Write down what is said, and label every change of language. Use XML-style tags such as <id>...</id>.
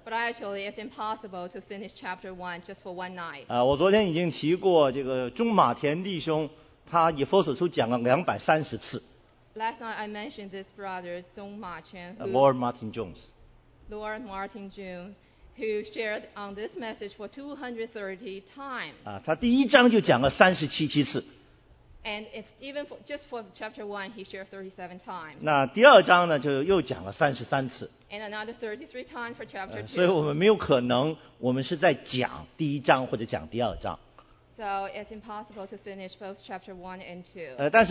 <en>But actually, it's impossible to finish chapter 1 just for one night.</en> <zh>我昨天已经提过这个钟马田弟兄，他以弗所书讲了230次。</zh> <en>Last night I mentioned this brother, Zhong Ma Chen. Lord Martin Jones. Lord Martin Jones, who shared on this message for 230 times.</en> <zh>他第一章就讲了37次。</zh> <en>And if even for, just for chapter 1, he shared 37 times.</en> <zh>那第二章呢，就又讲了33次。</zh> <en>And another 33 times for chapter 2.</en> <zh>所以我们没有可能，我们是在讲第一章或者讲第二章。</zh> <en>So it's impossible to finish both chapter 1 and 2.</en>